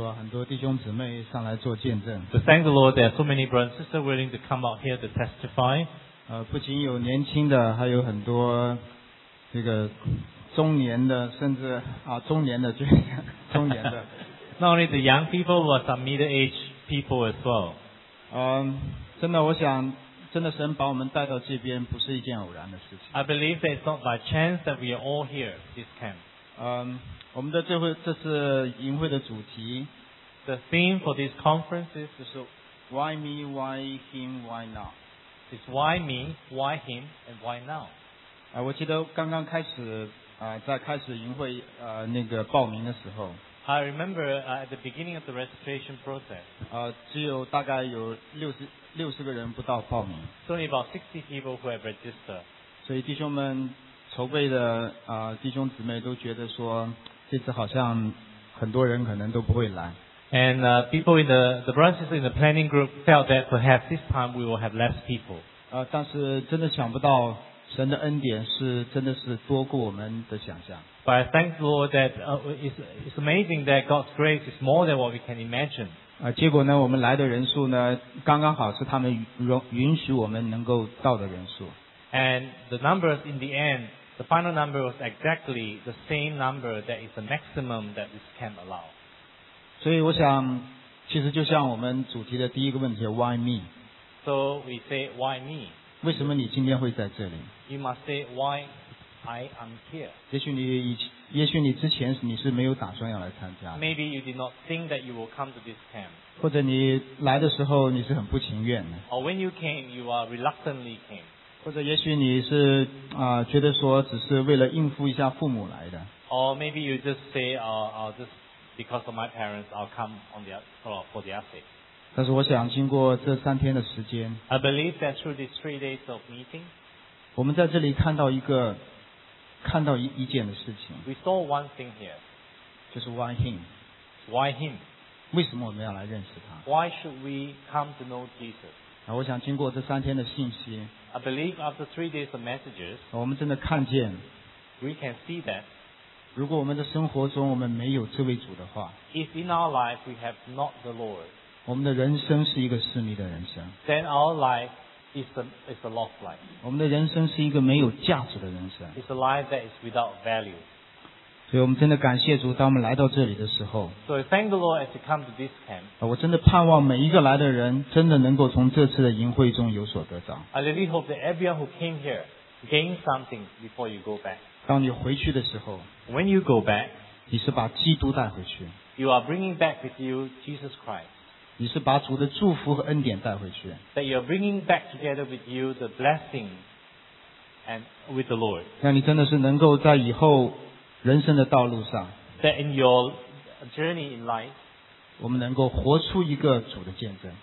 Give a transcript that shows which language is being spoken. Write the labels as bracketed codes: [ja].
[en] So thank the Lord, there are so many brothers and sisters willing to come out here to testify. [zh] 不仅有年轻的，还有很多。这个中年的，甚至中年的，就是中年的。 [en] Not only the young people, but some middle-aged people as well. [zh] 真的，我想，真的神把我们带到这边，不是一件偶然的事情。 [en] I believe that it's not by chance that we are all here this camp. [zh] 我们的这是营会的主题。 [en] The theme for this conference is Why me, why him, why now? It's why me, why him, and why now. [zh] 我记得刚刚开始在开始营会那个报名的时候 [en] I remember at the beginning of the registration process [zh] 只有大概有60个人不到报名 [en] So only about 60 people who have registered [zh] 所以弟兄们筹备的弟兄姊妹都觉得说这次好像很多人可能都不会来 [en] And people in the branches in the planning group felt that perhaps this time we will have less people [zh] 但是真的想不到神的恩典是真的是多过我们的想象。 [en] But I thank the Lord that it's amazing that God's grace is more than what we can imagine. [zh] 结果呢，我们来的人数呢，刚刚好是他们允许我们能够到的人数。 [en] And the numbers in the end, the final number was exactly the same number that is the maximum that this camp allow. [zh] 所以我想，其实就像我们主题的第一个问题 ， [en] Why me? So we say, Why me? [zh] 为什么你今天会在这里 [en] ？You must say why I am here. [zh] 也许你之前你是没有打算要来参加的。 [en] Maybe you did not think that you will come to this camp. [zh] 或者你来的时候你是很不情愿的。 [en] Or when you came, you are reluctantly came. [zh] 或者也许你是觉得说只是为了应付一下父母来的。 [en] Or maybe you just say, I'll just because of my parents, I'll come on their for their sake. [zh] 但是我想经过这三天的时间 [en] I believe that through these 3 days of meeting [zh] 我们在这里看到一件的事情 [en] We saw one thing here [zh] 就是 [en] why him Why him [zh] 为什么我们要来认识他 [en] Why should we come to know Jesus [zh] 我想经过这三天的信息 [en] I believe after 3 days of messages [zh] 我们真的看见 [en] We can see that [zh] 如果我们的生活中我们没有这位主的话 [en] If in our life we have not the Lord [zh] 我们的人生是一个失迷的人生。 [en] Then our life is a lost life. [zh] 我们的人生是一个没有价值的人生。 [en] It's a life that is without value. [zh] 所以我们真的感谢主，当我们来到这里的时候。 [en] So I thank the Lord as you come to this camp. [zh] 我真的盼望每一个来的人真的能够从这次的营会中有所得着。 [en] I really hope that everyone who came here gains something before you go back. [zh] 当你回去的时候。 [en] When you go back, [zh] 你是把基督带回去。 [en] You are bringing back with you Jesus Christ. [zh] 你是把主的祝福和恩典带回去。 [en] That you're bringing back together with you the blessing and with the Lord. [zh] 让你真的是能够在以后人生的道路上。 [en] That in your journey in life. [zh] 我们能够活出一个主的见证。